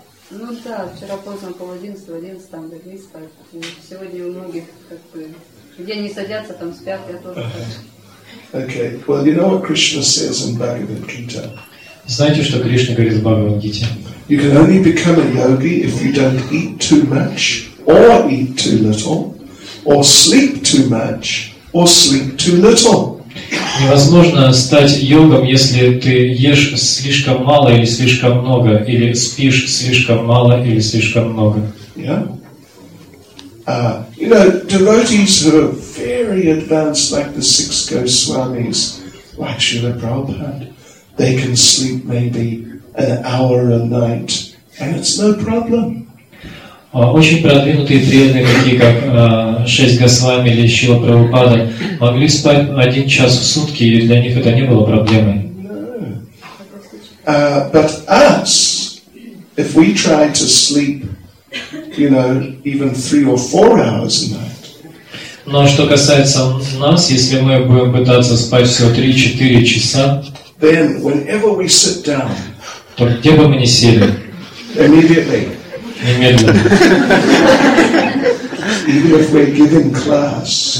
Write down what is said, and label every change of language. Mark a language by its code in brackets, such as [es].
[ru] Ну да, вчера поздно пол 11 там легли спать. И сегодня у многих как бы где они садятся, там спят, я тоже. [en] Okay. Well, you know what Krishna says in Bhagavad Gita. [ru] Знаете, что Кришна говорит в Бхагавад Гите? [en] You can only become a yogi if you don't eat too much, or eat too little, or sleep too much, or sleep too little. [ru] Невозможно стать йогом, если ты ешь слишком мало или слишком много, или спишь слишком мало или слишком много. [en] Yeah. You know, devotees who are very advanced, like the six Goswamis, like Srila Prabhupada, they can sleep maybe an hour a night, and it's no problem. [ru] Очень продвинутые преданные, такие как шесть Госвами или Шрила Прабхупада, могли спать один час в сутки, и для них это не было проблемой. [en] But us, if we try to sleep, you know, even 3 or 4 hours a night. [ru] Но что касается нас, если мы будем пытаться спать всего 3-4 часа, [en] then whenever we sit down, [ru] то где бы мы ни сели, [en] immediately. [ru] Немедленно. [en] Even if we're giving class.